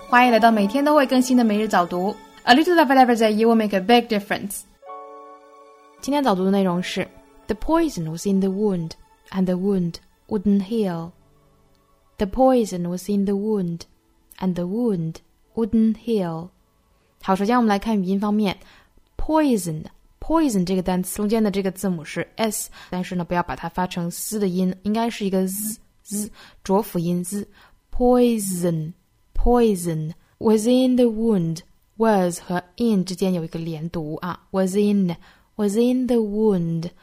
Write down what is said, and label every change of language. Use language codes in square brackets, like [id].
[zh] 欢迎来到每天都会更新的每日早读。 [en] A little of every day will make a big difference. [zh] 今天早读的内容是 [en] The poison was in the wound, and the wound wouldn't heal. The poison was in the wound, and the wound wouldn't heal. [zh] 好，首先我们来看语音方面。 Poison 这个单词中间的这个字母是 S, 但是呢不要把它发成 S 的音，应该是一个 Z, 浊辅音 Z。 [en] Poison was in the wound. [zh] Was 和 in 之间有一个连读啊。 [en] Was in the wound.